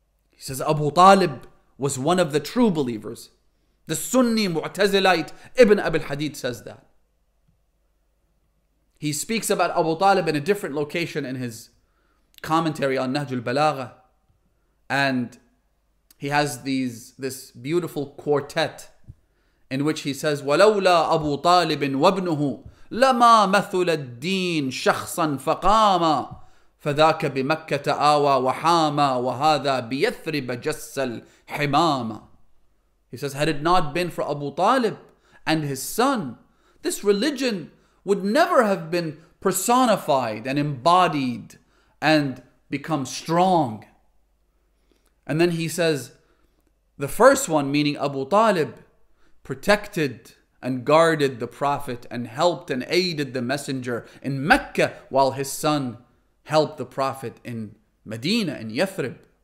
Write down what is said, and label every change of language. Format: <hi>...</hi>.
<en>He says Abu Talib was one of the true believers. The Sunni Mu'tazilite Ibn Abil Hadid says that. He speaks about Abu Talib in a different location in his commentary on Nahjul Balagha. And he has this beautiful quartet in which he says,</en> <ar>وَلَوْلَا أَبُو طَالِبٍ وَابْنُهُ لَمَا مَثُلَ الدِّينِ شَخْصًا فَقَامًا فَذَاكَ بِمَكَّةَ آوَى وَحَامًا وَهَذَا بِيَثْرِبَ جَسَّ الْحِمَامًا.</ar> <en>He says, had it not been for Abu Talib and his son, this religion would never have been personified and embodied and become strong. And then he says, the first one, meaning Abu Talib, protected and guarded the Prophet and helped and aided the messenger in Mecca while his son helped the Prophet in Medina, in Yathrib.</en>